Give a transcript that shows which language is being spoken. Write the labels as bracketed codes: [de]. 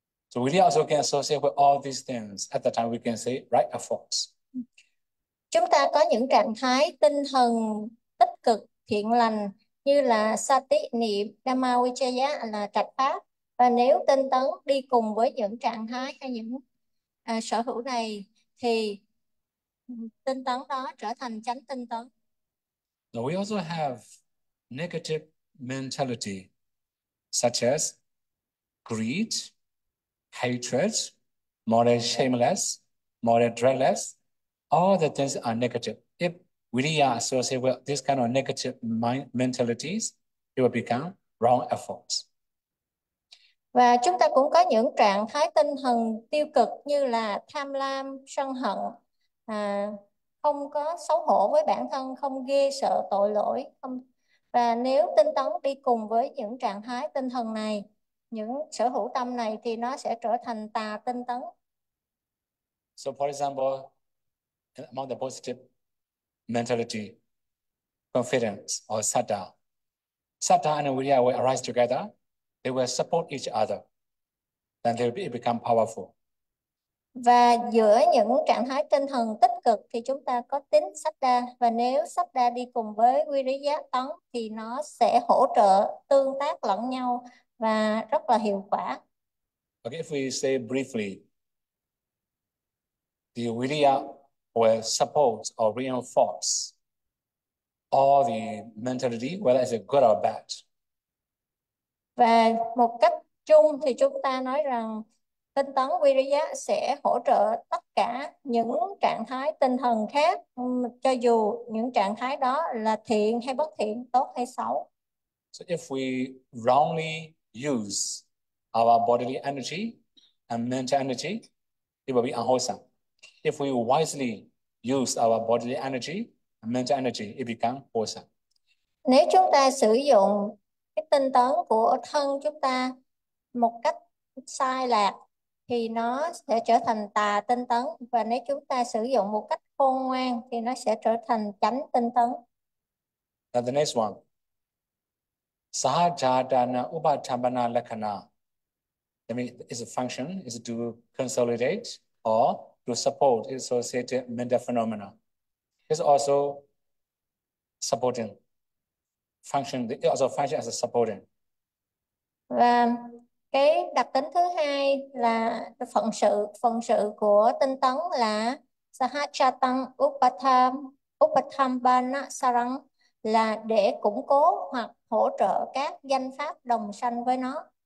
[en] So we also can associate with all these things. At the time, we can say right efforts. [vi] Chúng ta có những trạng thái tinh thần tích cực thiện lành như là sati niệm dhammavijaya là trạch pháp, và nếu tinh tấn đi cùng với những trạng thái hay những sở hữu này thì tinh tấn đó trở thành chánh tinh tấn. [en] Now we also have negative mentality, such as greed, hatred, moral shameless, moral dreadless. All the things are negative. If we are associated with this kind of negative mind mentalities, it will become wrong efforts. [vi] Và chúng ta cũng có những trạng thái tinh thần tiêu cực như là tham lam, sân hận, không có xấu hổ với bản thân, không ghê sợ tội lỗi, không. Và nếu tinh tấn đi cùng với những trạng thái tinh thần này, những sở hữu tâm này thì nó sẽ trở thành tà tinh tấn. [en] So for example, among the positive mentality, confidence or sadha, sadha and viriya will arise together. They will support each other. Then they will become powerful. [vi] Và giữa những trạng thái tinh thần tích cực thì chúng ta có tính Shaddha, và nếu Shaddha đi cùng với Viriya tấn thì nó sẽ hỗ trợ tương tác lẫn nhau và rất là hiệu quả. [en] If we say briefly, the Viriya will support or reinforce all the mentality, whether it's a good or bad. [vi] Và một cách chung thì chúng ta nói rằng tinh tấn Viriya sẽ hỗ trợ tất cả những trạng thái tinh thần khác, cho dù những trạng thái đó là thiện hay bất thiện, tốt hay xấu. [en] So if we wrongly use our bodily energy and mental energy, it will be unwholesome. If we wisely use our bodily energy and mental energy, it becomes wholesome. [vi] Nếu chúng ta sử dụng cái tinh tấn của thân chúng ta một cách sai lạc thì nó sẽ trở thành tà tinh tấn, và nếu chúng ta sử dụng một cách khôn ngoan thì nó sẽ trở thành chánh tinh tấn. [en] Now the next one. Sahajadana Upatthapana Lakkhana. I mean, it's a function, is to consolidate or to support associated mental phenomena. It's also supporting function, it also function as a supporting. [vi] Và cái đặc tính thứ hai là phận sự của tinh tấn là Sahajatam Upatham Upatthapana Saraṃ, là để củng cố hoặc hỗ trợ các danh pháp đồng sanh với nó.